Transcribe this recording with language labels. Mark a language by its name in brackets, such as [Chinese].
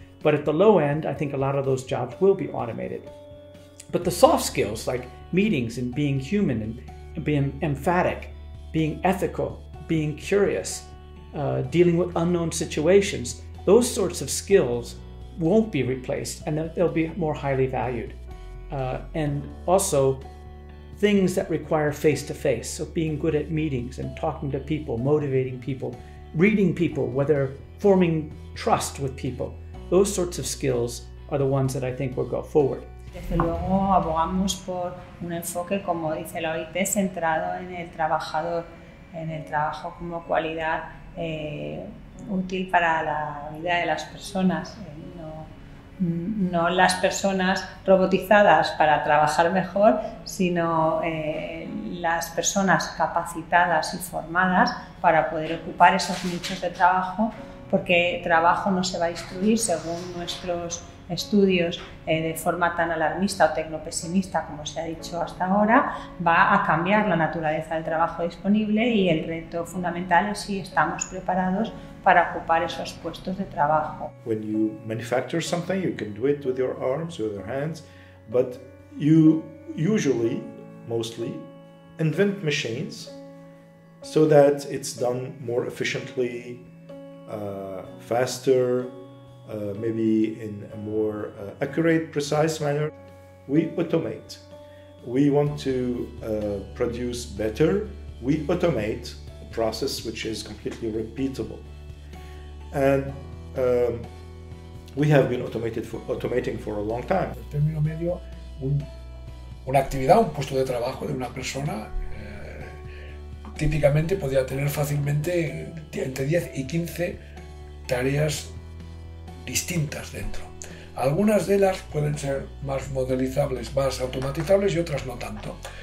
[English] But at the low end, I think a lot of those jobs will be automated. But the soft skills, like meetings and being human and being emphatic, being ethical, being curious, dealing with unknown situations, those sorts of skills won't be replaced and they'll be more highly valued. And also, things that require face-to-face, so being good at meetings and talking to people, motivating people, reading people, whether forming trust with people, those sorts of skills are the ones that I think will go forward. [Spanish] Desde luego abogamos por un enfoque, como dice la OIT, centrado en el trabajador, en el trabajo como cualidad útil para la vida de las personas. No las personas robotizadas para trabajar mejor, sino las personas capacitadas y formadas para poder ocupar esos nichos de trabajo, porque trabajo no se va a destruir, según nuestros estudios, de forma tan alarmista o tecnopesimista como se ha dicho hasta ahora, va a cambiar la naturaleza del trabajo disponible y el reto fundamental es si estamos preparados para ocupar esos puestos de trabajo. [English] When you manufacture something, you can do it with your arms, with your hands, but you usually, mostly, invent machines so that it's done more efficiently, faster, maybe in a more accurate, precise manner. we automate. We want to produce better, we automate a process which is completely repeatable. And we have been automating for a long time. [Spanish] El término medio, una actividad, un puesto de trabajo de una persona, típicamente podría tener fácilmente entre 10 y 15 tareas distintas dentro. Algunas de ellas pueden ser más modelizables, más automatizables y otras no tanto.